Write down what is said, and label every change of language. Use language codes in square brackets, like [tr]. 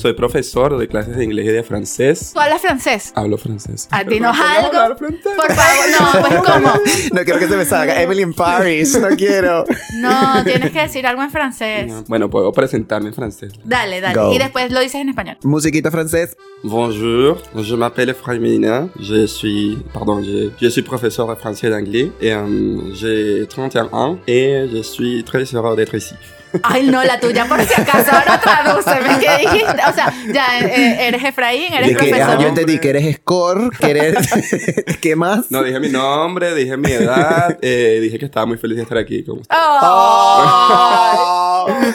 [es] Soy profesor de clases de inglés y de francés. ¿Tú hablas francés? Hablo francés. ¿A ti no algo? Por favor, no, pues ¿cómo? No quiero que se me salga Emily in Paris, no quiero. No, tienes que decir algo en francés. No. Bueno, puedo presentarme en francés. Dale, dale. [en] Go. [es] Y después lo dices en español. Musiquita francés. [fr] Bonjour, je m'appelle Fraimina. Je suis [es] profesor de francés [fr] d'anglais. J'ai 31 ans. Et je suis très heureux d'être ici. [es] Ay, no, la tuya, por si acaso, ahora tradúceme. ¿Qué dijiste? O sea, ya, eres Efraín, eres que, profesor. Yo entendí que eres Score, que eres... ¿Qué más? No, dije mi nombre, dije mi edad, dije que estaba muy feliz de estar aquí. Con usted. ¡Oh!